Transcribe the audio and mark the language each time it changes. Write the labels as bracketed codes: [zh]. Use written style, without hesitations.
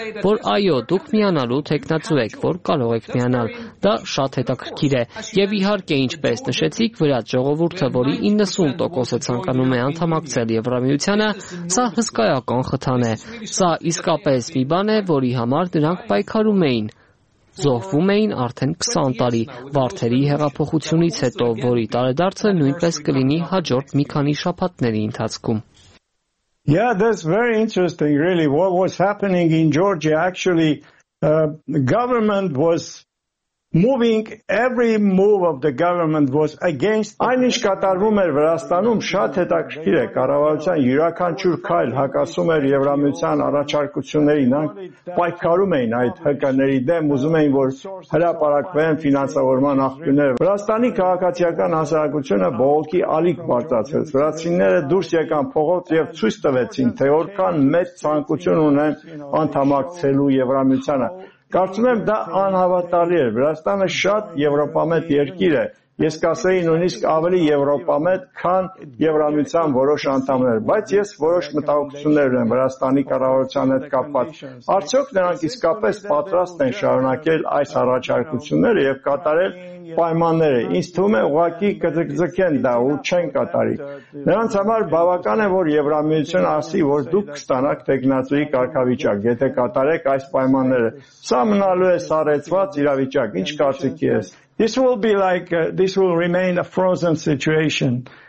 [hy] որ այո, դուք միանալու թեկնածու եք, որ կարող եք միանալ։ Դա շատ հետաքրքիր է, եւ իհարկե, ինչպես նշեցիք, վրաց ժողովուրդը, որի 90% ցանկանում է անդամակցել Եվրամիությանը, սա հսկայական խթան է։ Սա իսկապես մի բան է, որի համար նրանք պայքարում էին, զոհվում էին արդեն 20 տարի Վարդերի հեղափոխությունից հետո, որի տարեդարձը նույնպես կլինի հաջորդ մի քանի շաբաթների ընթացքում։ [en] Yeah, that's very interesting really what was happening in Georgia. Actually, government was moving, every move of the government was against. [hy] Այնիշ կատարվում էր Վրաստանում, շատ հետաքրքիր է, կառավարության յուրաքանչյուր քայլ հակասում էր Եվրամիության առաջարկությունների, նրանք պայքարում էին այդ ՀԿ-ների դեմ, ուզում էին, որ հրապարակվեն ֆինանսավորման աղբյուրները։ Վրաստանի քաղաքացիական հասարակությունը բողոքի ալիք բարձրացրեց, վրացինները դուրս եկան փողոց և ցույց տվեցին, թե որքան մեծ ցանկություն ունեն անդամակցելու Եվրամիությանը։ Կարծում եմ, դա անհավատալի է, Վրաստանը շատ եվրոպամետ երկիր է, ես կասեի նույնիսկ ավելի եվրոպամետ, քան Եվրամիության որոշ անդամներ, բայց ես որոշ մտահոգություններ ունեմ Վրաստանի կառավարության հետ կապված, արդյոք նրանք իսկապես պատրաստ են շարունակել այս առաջարկությունները և կատարել պայմանները, ինձ թվում է ուղղակի կձգձգեն դա ու չեն կատարի։ Նրանց համար բավական է, որ Եվրամիություն ասի, որ դուք կստանաք թեկնածուի կարգավիճակ, եթե կատարեք այս պայմանները։ Սա մնալու է սառեցված իրավիճակ, ինչ կարծիքի ես։ [en] This will be like this will remain a frozen situation.